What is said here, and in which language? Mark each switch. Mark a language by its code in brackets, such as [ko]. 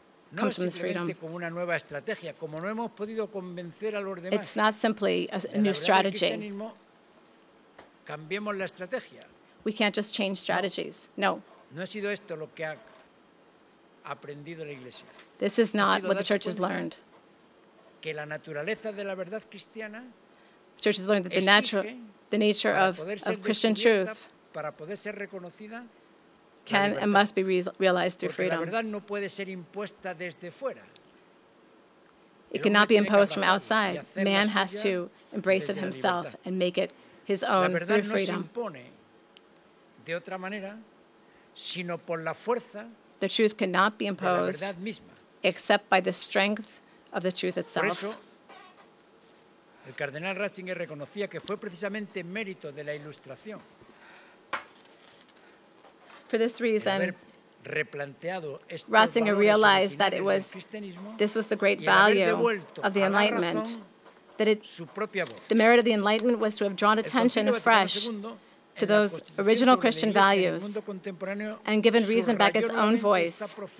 [es] no [en] comes from this freedom. [es] Como una nueva estrategia, como no hemos podido convencer a los demás, [en] it's not simply a new strategy. [es] Cambiemos la estrategia. [en] We can't just change strategies. No. [es] No ha sido esto lo que ha aprendido la iglesia. [en] This is not what the church has learned. [es] Que la naturaleza de la verdad cristiana, [en] the church has learned that the nature of Christian truth, [es] para poder ser reconocida, [en] can and must be realized through [es] porque [en] freedom. [es] La verdad no puede ser impuesta desde fuera. [en] It cannot be imposed from outside. Man has to embrace it himself and make it his own through freedom. The truth cannot be imposed except by the strength of the truth itself. [es] El cardenal Ratzinger reconocía que fue precisamente mérito de la ilustración. [en] For this reason, Ratzinger realized that it was this was the great value of the Enlightenment, that it the merit of the Enlightenment was to have drawn attention afresh to those original Christian values and given reason back its own voice.